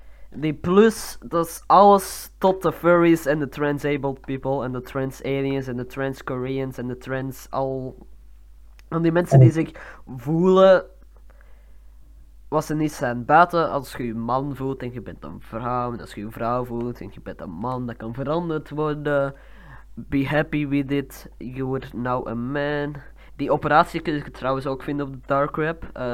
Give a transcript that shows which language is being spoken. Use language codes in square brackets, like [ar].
[nl] Die plus, dat is alles tot de furries en de transabled people en de trans aliens en de trans Koreans en de trans al. En die mensen die zich voelen. Wat ze niet zijn buiten, als je je man voelt en je bent een vrouw, en als je je vrouw voelt en je bent een man, dat kan veranderd worden. [en] Be happy with it, you're now a man. [nl] Die operatie kun je trouwens ook vinden op de dark web.